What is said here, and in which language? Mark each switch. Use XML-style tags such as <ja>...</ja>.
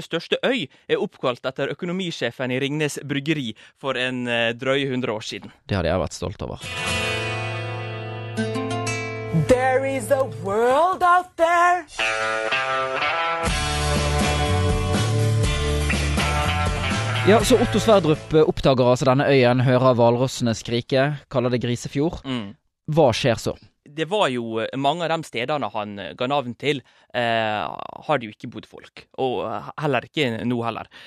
<no>største øy oppkalt etter økonomisjefen I Ringnes Bryggeri for en drøye 100 år siden. Det hadde jeg vært stolt over.</no> <en>There is a world out there.</en> <no>Ja, så Otto Sverdrup oppdager altså denne øyen, hører valrossene skrike, kaller det Grise Fjord. Mm. Hva skjer så? Det var jo mange av de stedene han ga navn til, har det jo ikke bodd folk, og heller ikke nå heller.</no>